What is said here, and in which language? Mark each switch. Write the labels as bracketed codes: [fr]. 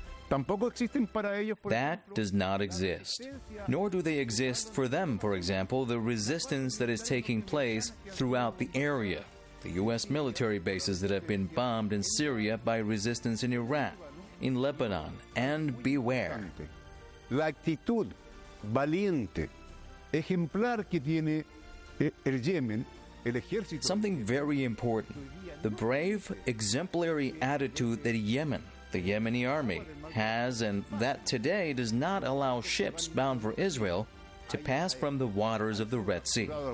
[en] That does not exist. Nor do they exist for them, for example, the resistance that is taking place throughout the area, the U.S. military bases that have been bombed in Syria by resistance in Iraq, in Lebanon, and beware. [es] La actitud valiente, ejemplar que tiene el Yemen. [en] Something very important, the brave, exemplary attitude that Yemen, the Yemeni army, has and that today does not allow ships bound for Israel to pass from the waters of the Red Sea.